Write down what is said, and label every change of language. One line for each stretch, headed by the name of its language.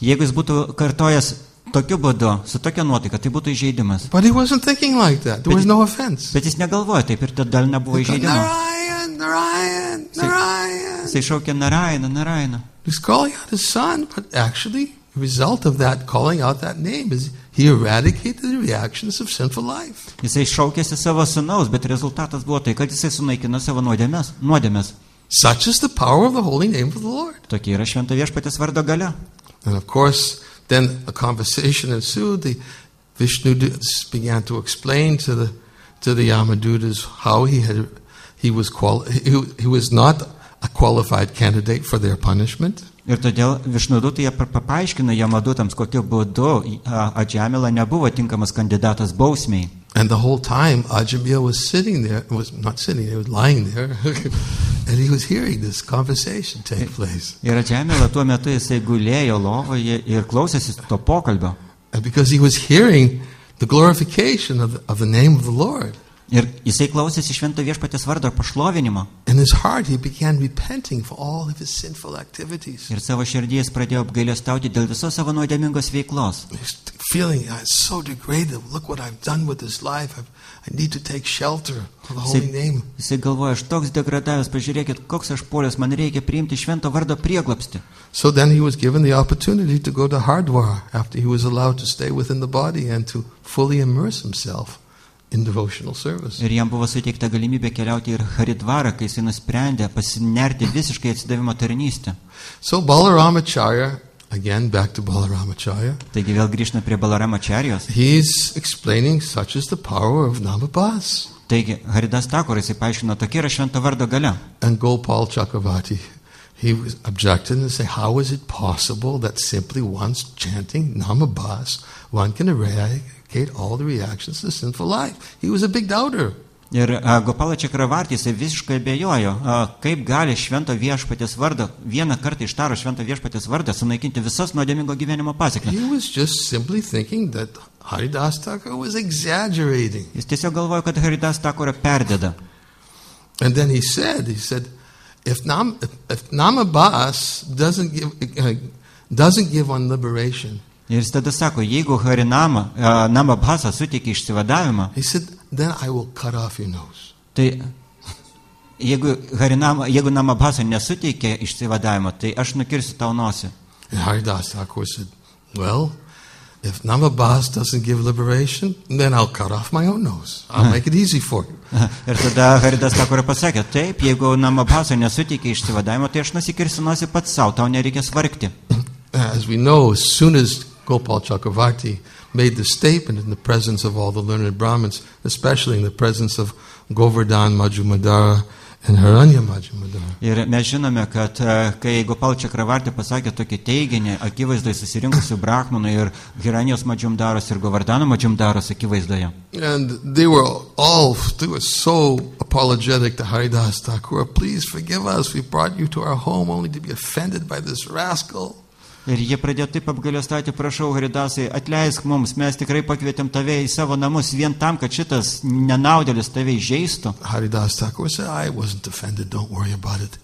Lithuanian: Jeigu jis būtų kartojęs tokiu būdu, su tokia nuotaika, tai būtų įžeidimas.
English: But he wasn't thinking like that. There was no offense.
Lithuanian: Bet jis negalvojo taip ir tada nebuvo įžeidimo. Narayan, Narayan, Narayan. Jis šaukė Narayana, Narayana.
English: He's calling out his son, but actually, the result of that calling out that name is he eradicated the reactions of sinful life.
Lithuanian: Jis šaukėsi savo sūnaus, bet rezultatas buvo tai, kad jis sunaikino savo nuodėmes.
English: Such is the power of the holy name of the Lord.
Lithuanian: Tokia yra švento viešpaties vardo galia.
English: And of course, then a conversation ensued. The Vishnu Dutas began to explain to the Yamadutas how he was not a qualified candidate for their punishment.
Lithuanian: Ir todėl Vishnu Dutai paaiškino Yamadutams, kokiu būdu Ajamila nebuvo tinkamas kandidatas bausmei.
English: And the whole time Ajamila was sitting there, lying there. And he was hearing this conversation take place.
Lithuanian: Ir Ajamila tuo metu jisai gulėjo lovoje ir klausėsi to pokalbio.
English: And because he was hearing the glorification of the name of the Lord.
Lithuanian: Ir jisai klausėsi švento viešpaties vardo pašlovinimo.
English: In his heart he began repenting for all of his sinful activities.
Lithuanian: Ir savo širdyje pradėjo apgailestauti dėl visos savo nuodėmingos veiklos.
English: Feeling I'm so degraded. Look what I've done with this life. I need to take shelter for the holy name.
Lithuanian: Jisai galvoja, aš toks degradavęs, pažiūrėkit, koks aš polis, man reikia priimti švento vardo prieglobstį.
English: So then he was given the opportunity to go to Hardwar after he was allowed to stay within the body and to fully immerse himself in devotional service.
Lithuanian: Ir jam buvo suteikta galimybė keliauti ir Haridvarą, kai jisai nusprendė pasinerti visiškai atsidavimo tarnystę.
English: So Balaramacharya, again back to Balaramacharya.
Lithuanian: Taigi vėl grįžtame prie Balaramacharyos.
English: He's explaining such is the power of Namabhas.
Lithuanian: Taigi Haridas Thakur jisai paaiškino, tokia yra švento vardo galia.
English: And Gopal Chakravarti, he was objecting and say, how is it possible that simply once chanting Namabhas, one can eradicate all the reactions to sinful life? He was a big doubter.
Lithuanian: Ir Gopala Chakravarti jisai visiškai abejojo, kaip gali švento viešpatės vardą, vieną kartą ištaro švento viešpatės vardą, sunaikinti visas nuodėmingo gyvenimo pasekmes.
English: He was just simply thinking that Haridas Thakur was exaggerating.
Lithuanian: Jis tiesiog galvojo, kad Haridas Thakur perdeda.
English: And then he said, if Namabhas doesn't give one liberation.
Lithuanian: Ir jis tada sako, jeigu Harinama, Namabhasa suteikia išsivadavimą.
English: He said, then I will cut off your nose.
Lithuanian: Tai jeigu Namabhasa nesuteikia išsivadavimą, tai aš nukirsiu tau nosį.
English: And Haridas Thakur said, well, If Nama Bas doesn't give liberation, then I'll cut off my own nose. I'll make it easy for you.
Lithuanian: Ir tada Haridas Thakura pasakė, taip, jeigu Nama Baso nesuteikia išsivadavimo, tai aš nusikirsinuosiu pats sau, tau nereikia svargti.
English: As we know, as soon as Gopal Chakravarti made the statement in the presence of all the learned Brahmins, especially in the presence of Govardhan Majumdar and Haranya Majumdar.
Lithuanian: Ir mes žinome, kad kai Gopal Chakravarti pasakė tokį teiginį, akivaizdai susirinkusių Brahmanų ir Haranyos Majumdaros ir Govardhano Majumdaros akivaizdoje.
English: And they were so apologetic to Haridas Thakura, please forgive us, we brought you to our home only to be offended by this rascal.
Lithuanian: Ir jie pradėjo taip apgailestauti, prašau, Haridasai, atleisk mums, mes tikrai pakvietėm tave į savo namus vien tam, kad šitas nenaudėlis tave įžeistų.
English: Haridas Thakura said, I wasn't offended, don't worry about it.